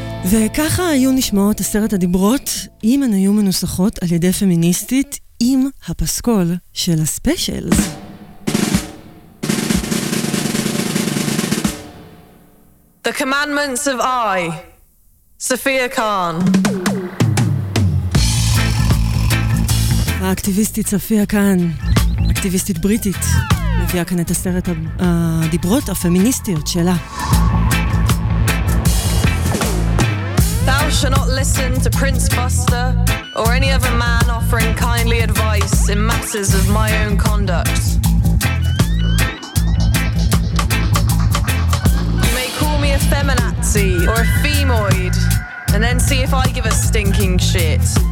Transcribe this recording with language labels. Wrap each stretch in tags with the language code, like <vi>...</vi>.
<he>וככה היו נשמעות עשרת הדיברות, אם הן היו מנוסחות על ידי פמיניסטית, עם הפסקול של הספשיילס.</he> <en>The commandments of I, Sophia Khan.</en> <he>האקטיביסטית סופיה קאן, אקטיביסטית בריטית, מביאה כאן את עשרת הדיברות הפמיניסטיות שלה.</he> <en>Thou shalt not listen to Prince Buster or any other man offering kindly advice in matters of my own conduct. You may call me a feminazi or a femoid and then see if I give a stinking shit.</en>